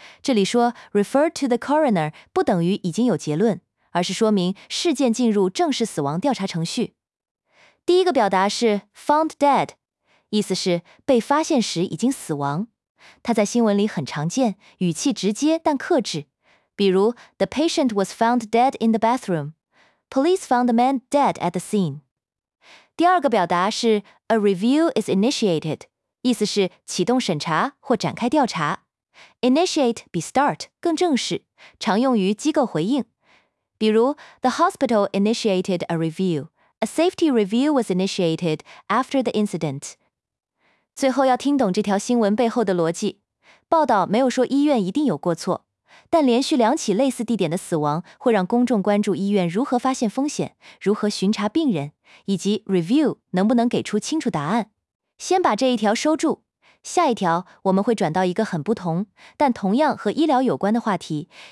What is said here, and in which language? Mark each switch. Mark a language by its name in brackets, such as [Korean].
[Chinese] 这里说 [English] refer to the coroner [Chinese] 不等于已经有结论，而是说明事件进入正式死亡调查程序。第一个表达是 [English] found dead， [Chinese] 意思是被发现时已经死亡。它在新闻里很常见，语气直接但克制。比如 [English] The patient was found dead in the bathroom. Police found the man dead at the scene. [Chinese] 第二个表达是 [English] a review is initiated， [Chinese] 意思是启动审查或展开调查。 Initiate 比 start 更正式，常用于机构回应。比如 [English] The hospital initiated a review. A safety review was initiated after the incident. [Chinese] 最后要听懂这条新闻背后的逻辑。报道没有说医院一定有过错，但连续两起类似地点的死亡会让公众关注医院如何发现风险，如何巡查病人，以及 review 能不能给出清楚答案。先把这一条收住，下一条我们会转到一个很不同，但同样和医疗有关的话题。